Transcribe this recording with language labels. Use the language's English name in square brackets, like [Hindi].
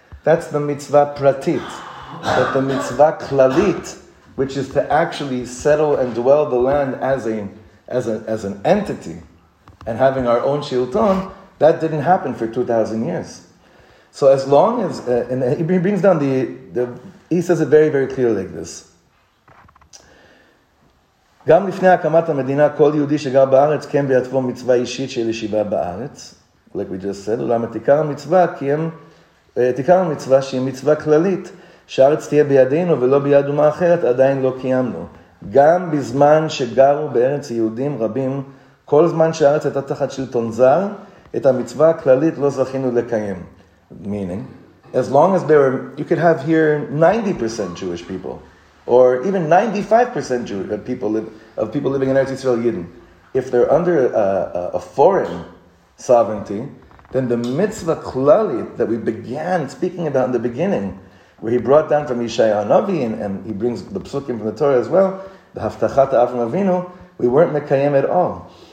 [English] That's the mitzvah pratit. But the mitzvah klalit, which is to actually settle and dwell the land as an entity, and having our own shilton, that didn't happen for 2,000 years. So as long as, and he brings down he says it very, very clearly like this. [Hebrew] גם לפני הקמת המדינה, כל יהודי שגר בארץ קיים בעצבו מצווה אישית של ישיבה בארץ, [English] like we just said, [Hebrew] אולם עתיקר המצווה, כי הם, עתיקר המצווה שהיא מצווה כללית, שארץ תהיה בידינו ולא ביד אומה אחרת, עדיין לא קיימנו. גם בזמן שגרו בארץ יהודים רבים, כל זמן שארץ הייתה תחת שלטון זר, את המצווה הכללית לא זכינו לקיים. [English] Meaning, as long as there were, you could have here 90% Jewish people, or even 95% people living in Eretz Yisrael Yidden, if they're under a foreign sovereignty, then the mitzvah klali that we began speaking about in the beginning, where he brought down from Yishayah Navi, and he brings the psukim from the Torah as well, the haftachat Avraham Avinu, we weren't mekayem at all.